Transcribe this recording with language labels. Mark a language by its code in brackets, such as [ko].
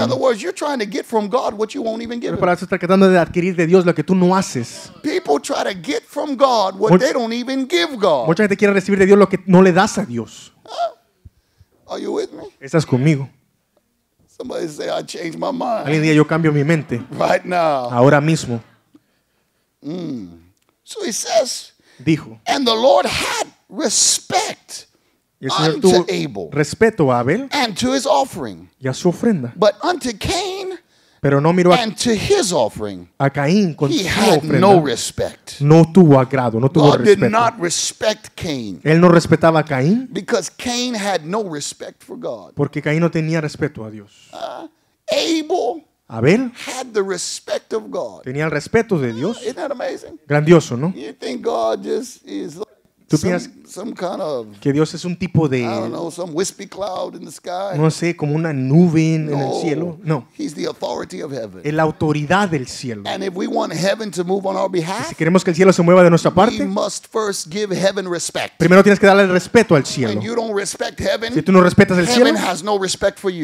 [en] In other words, you're trying to get from God what you won't even give. [es] Para eso estás tratando de adquirir de Dios lo que tú no haces. [en] People try to get from God what they don't even give God. [es] Mucha gente quiere recibir de Dios lo que no le das a Dios. [en] Are you with me? [es] ¿Estás conmigo? [en] Somebody say I changed my mind. [es] Alguien diga yo cambio mi mente. [en] Right now. [es] Ahora mismo. [en] So he says. [es] Dijo. [en] And the Lord had respect unto Abel, [es] respeto a Abel, [en] and to his offering, [es] y a su ofrenda. [en] But unto Cain, [es] pero no miró [en] and to his offering, [es] a Caín con [en] he [es] su [en] had [es] ofrenda. [en] No respect. [es] No tuvo agrado, no tuvo [en] God [es] respeto. [en] Did not respect Cain. [es] Él no respetaba a Caín. [en] Because Cain had no respect for God. [es] Porque Caín no tenía respeto a Dios. [en] Abel. [es] Abel [en] had the respect of God. [es] Tenía el respeto de Dios. [en] Isn't that amazing? [es] Grandioso, ¿no? [en] You think God just is some kind of [es] que Dios es un tipo de, [en] I don't know, some wispy cloud in the sky. [es] No sé, como una nube en el cielo. [en] No. He's the authority of heaven. [es] Es la autoridad del cielo. [en] And if we want heaven to move on our behalf, [es] si queremos que el cielo se mueva de nuestra parte, [en] we must first give heaven respect. [es] Primero tienes que darle el respeto al cielo. [en] And you don't respect heaven, [es] si tú no respetas el cielo, [en] heaven has no respect for you.